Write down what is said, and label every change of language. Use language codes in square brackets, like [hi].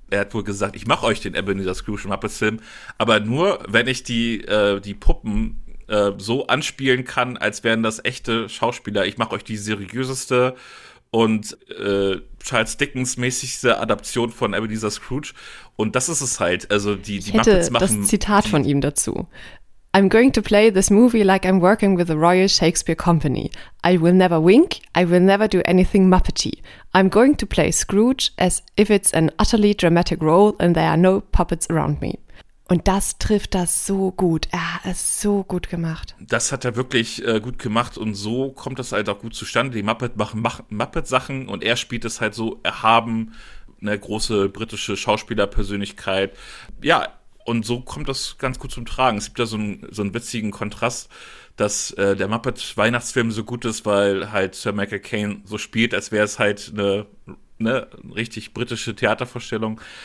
[de] Er hat wohl gesagt, ich mache euch den Ebenezer Scrooge Muppets Film, aber nur, wenn ich die Puppen so anspielen kann, als wären das echte Schauspieler. Ich mache euch die seriöseste und Charles Dickens-mäßigste Adaption von Ebenezer Scrooge. Und das ist es halt. Also die Muppets machen. Ich hätte das Zitat von ihm dazu. [en] I'm going to play this movie like I'm working with the Royal Shakespeare Company. I will never wink, I will never do anything Muppety. I'm going to play Scrooge as if it's an utterly dramatic role and there are no puppets around me. [de] Und das trifft das so gut. Er hat es so gut gemacht. Das hat er wirklich gut gemacht und so kommt das halt auch gut zustande. Die Muppets machen Muppet-Sachen und er spielt es halt so erhaben, eine große britische Schauspielerpersönlichkeit. Ja, und so kommt das ganz gut zum Tragen. Es gibt da so einen witzigen Kontrast, dass der Muppet-Weihnachtsfilm so gut ist, weil halt Sir Michael Caine so spielt, als wäre es halt eine richtig britische Theatervorstellung.